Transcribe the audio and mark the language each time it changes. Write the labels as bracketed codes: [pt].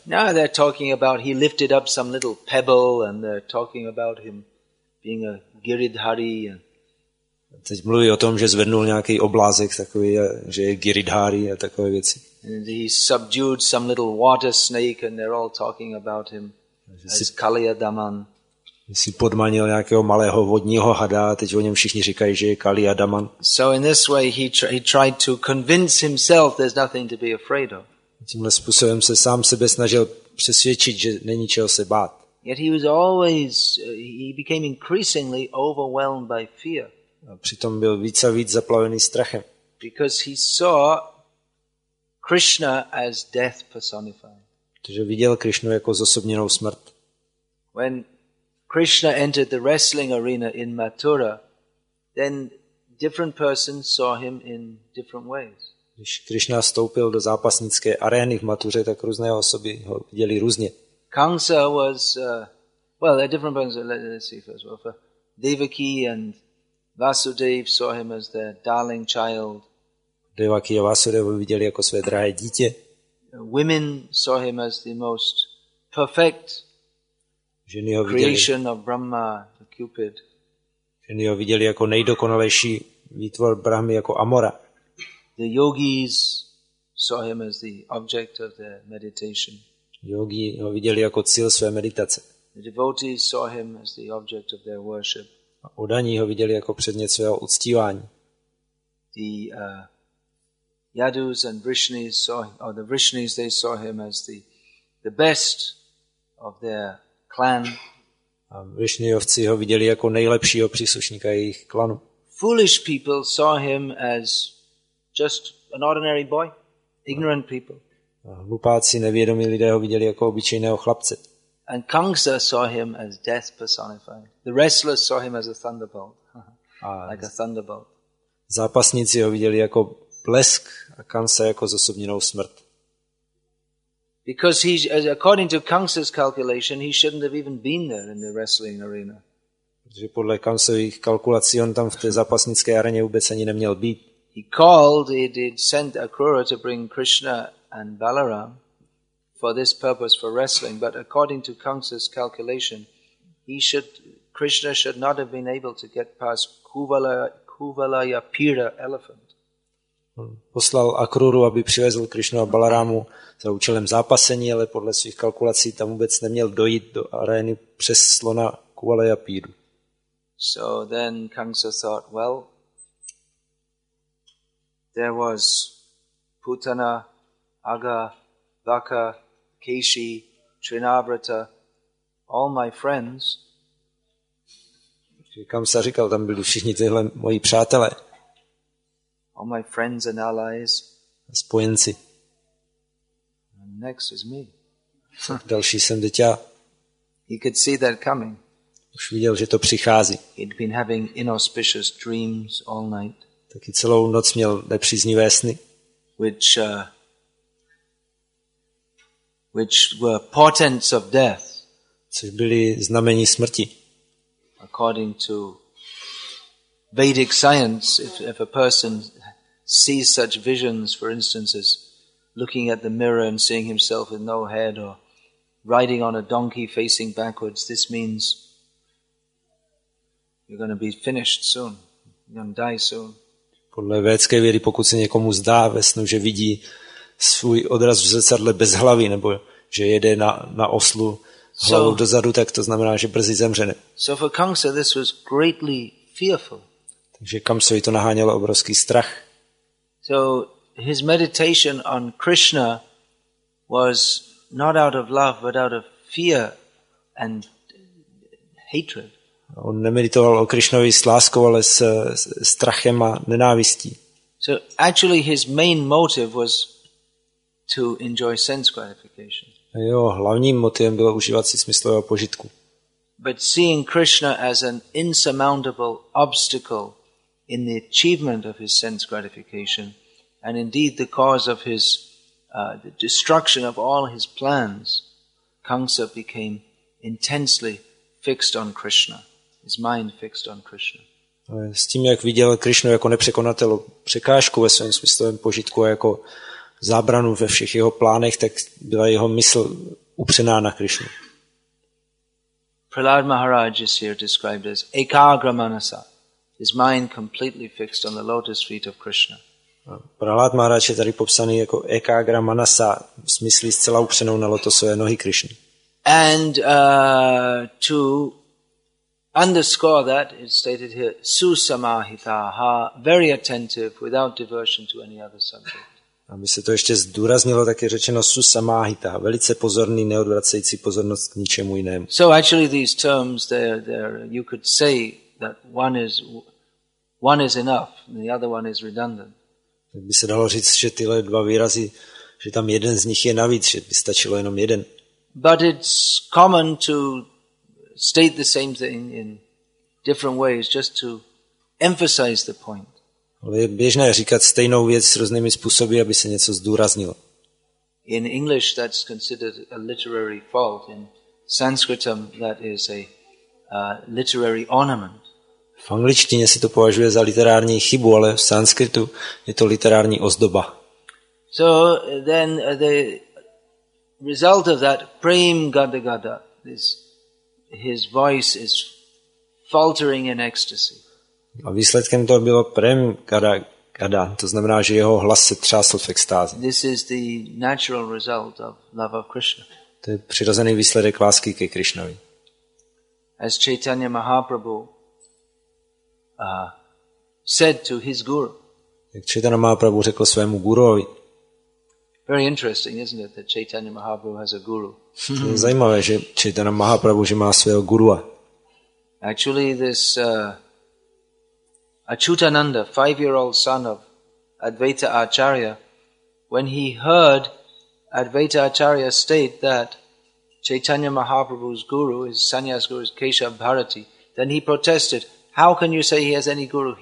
[en] No, they're talking about he lifted up some little pebble and they're talking about him being a Giridhari. [cs] Teď mluví o tom, že zvednul nějaký oblázek takový, že je Giridhari a takové věci. [en] And he subdued some little water snake and they're all talking about him as Kaliyadaman. [cs] Si podmanil nějakého malého vodního hada, teď o něm všichni říkají, že je Kali Adaman. [en] So in this way he tried to convince himself there's nothing to be afraid of. [cs] Tímhle způsobem se sám sebe snažil přesvědčit, že není čeho se bát. [en] Yet he was always he became increasingly overwhelmed by fear. [cs] A přitom byl víc a víc zaplavený strachem. [en] Because he saw Krishna as death personified. [cs] Protože viděl Krishnu jako zosobněnou smrt. [en] When Krishna entered the wrestling arena in Mathura, then different persons saw him in different ways. [cs] Když Krishna vstoupil do zápasnické arény v Mathuře, tak různé osoby ho viděli různě. [en] Kamsa was, well, a different person, let's see first. Well, Devaki and Vasudev saw him as their darling child. [cs] Devaki a Vasudev ho viděli jako své drahé dítě. [en] Women saw him as the most perfect creation of Brahma, the Cupid. [cs] Ženy ho viděli jako nejdokonalejší výtvor Brahmy, jako Amora. [en] The yogis saw him as the object of their meditation. [cs] Yogi ho viděli jako cíl své meditace. [en] The devotees saw him as the object of their worship. [cs] A udaní ho viděli jako předmět svého uctívání. [en] The yadus and vrishnis saw him, or the vrishnis, they saw him as the best of their clan. [cs] A Višňovci ho viděli jako nejlepšího příslušníka jejich klanu. [en] Foolish people saw him as just an ordinary boy, ignorant people. [cs] A hlupáci, nevědomí lidé ho viděli jako obyčejného chlapce. [en] And Kamsa saw him as death personified. The wrestlers saw him as a thunderbolt. Like a thunderbolt. [cs] Zápasníci ho viděli jako blesk a Kamsa jako zosobněnou smrt. [en] Because he, according to Kamsa's calculation, he shouldn't have even been there in the wrestling arena. [cs] Protože podle Kamsových kalkulací on tam v té zápasnické aréně vůbec ani neměl být. [en] He called, he did send Akrura to bring Krishna and Balaram for this purpose, for wrestling. But according to Kamsa's calculation, Krishna should not have been able to get past Kuvalayapira elephant. [cs] Poslal Akruru, aby přivezl Krishnu a Balarámu za účelem zápasení, ale podle svých kalkulací tam vůbec neměl dojít do arény přes slona Kuvalayapíru. [en] So then Kamsa thought, well, there was Putana, Aga, Vaka, Keshi, Trinavrata, all my friends. [cs] Kamsa říkal, tam byli všichni tyhle moji přátelé. [en] All my friends and allies. [cs] Spojenci. [en] And next is me. [cs] Další jsem teď já. [en] He could see that coming. [cs] Už viděl, že to přichází. [en] He'd been having inauspicious dreams all night. [cs] Taky celou noc měl nepříznivé sny. [en] Which were portents of death. [cs] Což byly znamení smrti. [en] According to Vedic science, if a person sees such visions, for instance, as looking at the mirror and seeing himself with no head or riding on a donkey facing backwards, this means you're going to be finished soon. You're going to die soon. [cs] Podle védské vědy, pokud se někomu zdá ve snu, že vidí svůj odraz v zrcadle bez hlavy, nebo že jede na oslu hlavou dozadu, tak to znamená, že brzy zemře. [en] So for Kamsa this was greatly fearful. [cs] Takže Kamsovi to nahánělo obrovský strach. [en] So his meditation on Krishna was not out of love, but out of fear and hatred. [cs] On nemeditoval o Krišnovi s láskou, ale s strachem a nenávistí. [en] So actually his main motive was to enjoy sense gratification. [cs] Jo, hlavním motivem bylo užívat si smyslového požitku. [en] But seeing Krishna as an insurmountable obstacle in the achievement of his sense gratification and indeed the cause of his the destruction of all his plans, Kamsa became intensely fixed on Krishna. His mind fixed on Krishna. [cs] S tím, jak viděl Krishnu jako nepřekonatelnou překážku ve svém smyslovém požitku a jako zábranu ve všech jeho plánech, tak byla jeho mysl upřená na Krishnu. [en] Prahlad Maharaj is here described as ekagra manasa. His mind completely fixed on the lotus feet of Krishna. [cs] Prahlad Maharaj je tady popsaný jako ekagra manasa, v smyslu zcela upřenou na lotosové nohy Krishny. [en] And to underscore that it's stated here susamahitaha, very attentive without diversion to any other subject. [cs] Aby se to ještě zdůraznilo, tak je řečeno susamahitaha, velice pozorný, neodvracející pozornost k ničemu jinému. [en] So actually these terms there you could say that one is enough and the other one is redundant. [cs] Tak by se dalo říct, že tyhle dva výrazy, že tam jeden z nich je navíc, že by stačilo jenom jeden. [en] But it's common to state the same thing in different ways just to emphasize the point. [cs] Je běžné říkat stejnou věc různými způsoby, aby se něco zdůraznilo. [en] In English that's considered a literary fault. In Sanskritum that is a literary ornament. [cs] V angličtině se to považuje za literární chybu, ale v sanskritu je to literární ozdoba. [en] So then the result of that prem gada gada is his voice is faltering in ecstasy. [cs] A výsledkem toho bylo prem gada gada, to znamená, že jeho hlas se třásl v extázi. [en] This is the natural result of love of Krishna. [cs] To je přirozený výsledek lásky ke Krišnovi. [en] As Chaitanya Mahaprabhu said to his guru. [cs] Jak Chaitanya Mahaprabhu řekl svému guruovi. [en] Very interesting, isn't it, that Chaitanya Mahaprabhu has a guru? [cs] Zajímavé, že Chaitanya Mahaprabhu má svého gurua. [en] Actually, this Achyutananda, 5-year-old son of Advaita Acharya, when he heard Advaita Acharya state that Chaitanya Mahaprabhu's guru, his sannyas guru, is Keshav Bharati, then he protested, "How can you say he has any guru?